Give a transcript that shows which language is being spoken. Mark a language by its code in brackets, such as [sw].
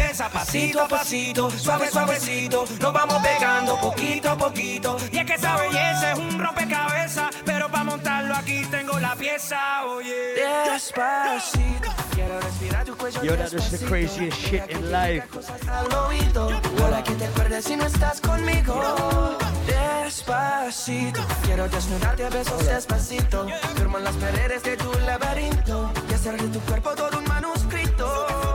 [es] Pasito a pasito, suave, suavecito, nos vamos pegando poquito a poquito. Y es que esa belleza es un rompecabezas, pero pa' montarlo aquí tengo la pieza, oye. [en] Oh yeah. Despacito. Yo, that is the craziest shit in life. [es] Para que te acuerdes si no estás conmigo. Despacito. Quiero desnudarte a besos despacito. Firmo en las paredes de tu laberinto. Y hacer de tu cuerpo todo un manuscrito.